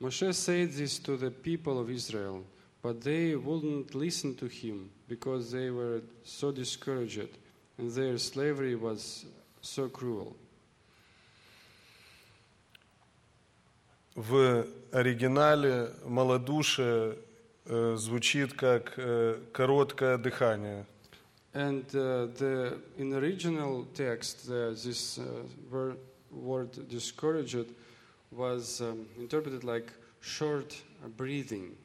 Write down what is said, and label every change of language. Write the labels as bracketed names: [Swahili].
[English] Moshe said this to the people of Israel, but they wouldn't listen to him because they were so discouraged and their slavery was so cruel. [Russian] В оригинале малодушие звучит как короткое дыхание. [English] And in the original text, this word discouraged was interpreted like short breathing.